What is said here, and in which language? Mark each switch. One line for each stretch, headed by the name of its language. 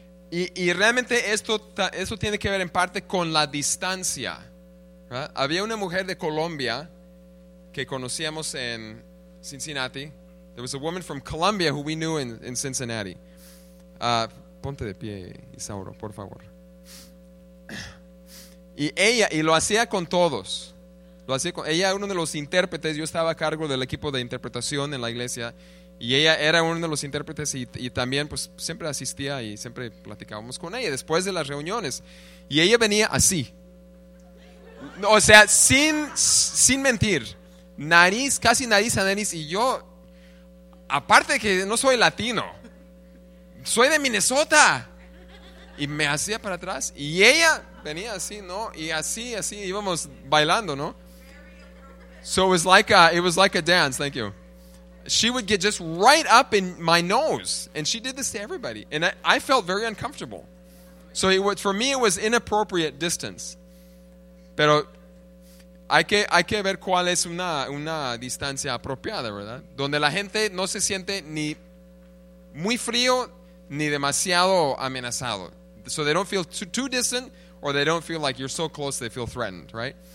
Spanish: y realmente esto tiene que ver en parte con la distancia, ¿verdad? Había una mujer de Colombia que conocíamos en Cincinnati.
English: There was a woman from Colombia who we knew in Cincinnati.
Spanish: Ponte de pie, Isauro, por favor. Y lo hacía con todos. Ella era uno de los intérpretes. Yo estaba a cargo del equipo de interpretación en la iglesia. Y ella era uno de los intérpretes y también pues siempre asistía y siempre platicábamos con ella después de las reuniones. Y ella venía así. O sea, sin mentir. Nariz, casi nariz a nariz. Y yo, aparte de que no soy latino, soy de Minnesota. Y me hacía para atrás. Y ella venía así, ¿no? Y así íbamos bailando, ¿no?
English: So it was like a dance. Thank you. She would get just right up in my nose, and she did this to everybody, and I felt very uncomfortable. So for me it was inappropriate distance.
Spanish: Pero hay que ver cuál es una distancia apropiada, ¿verdad? Donde la gente no se siente ni muy frío ni demasiado amenazado.
English: So they don't feel too distant, or they don't feel like you're so close they feel threatened, right?